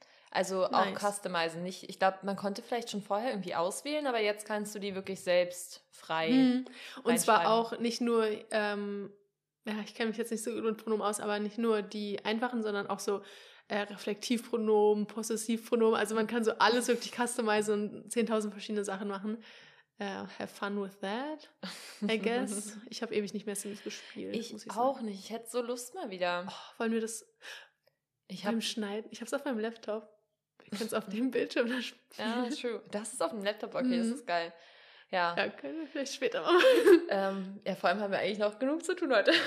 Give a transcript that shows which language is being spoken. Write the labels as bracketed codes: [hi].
[de] Also auch customizen. Ich glaube, man konnte vielleicht schon vorher irgendwie auswählen, aber jetzt kannst du die wirklich selbst frei Und zwar auch nicht nur, ich kenne mich jetzt nicht so gut mit Pronomen aus, aber nicht nur die einfachen, sondern auch so Reflektivpronomen, Possessivpronomen. Also man kann so alles wirklich customizen und 10.000 verschiedene Sachen machen. [en] Have fun with that, I guess. [de] Ich habe ewig nicht mehr Sims gespielt. Ich muss auch sagen. Nicht. Ich hätte so Lust mal wieder. Oh, wollen wir das... Ich habe es auf meinem Laptop. Wir können es auf dem Bildschirm da spielen. Ja, true. Das ist auf dem Laptop, okay, das ist geil. Ja. Ja, können wir vielleicht später mal. Vor allem haben wir eigentlich noch genug zu tun heute.